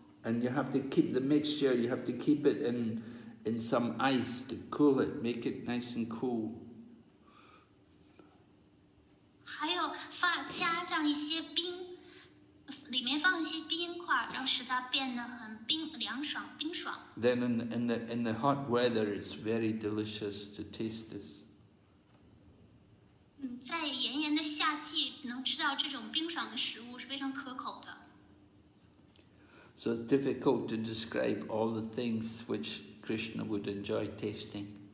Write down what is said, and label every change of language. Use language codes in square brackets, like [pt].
[en] And you have to keep the mixture, you have to keep it in some ice to cool it, make it nice and cool. [zh] 还有加上一些冰，里面放一些冰块，让使它变得很冰凉爽，冰爽。 [en] Then in the hot weather, it's very delicious to taste this. [zh] 在炎炎的夏季，能吃到这种冰爽的食物是非常可口的。 [en] So it's difficult to describe all the things which Krishna would enjoy tasting.